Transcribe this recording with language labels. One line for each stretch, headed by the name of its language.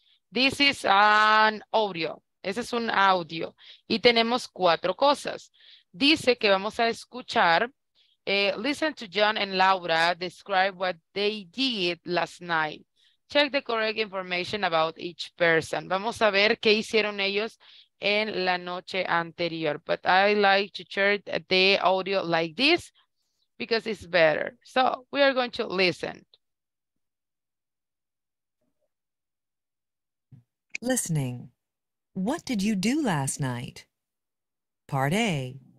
English: This is an audio.
Spanish: Ese es un audio. Y tenemos cuatro cosas. Dice que vamos a escuchar.
English: Listen to John and Laura describe what they did last night. Check the correct information about each person.
Spanish: Vamos a ver qué hicieron ellos en la noche anterior.
English: But I like to share the audio like this because it's better. So we are going to listen. Listening. What did you do last night? Part A.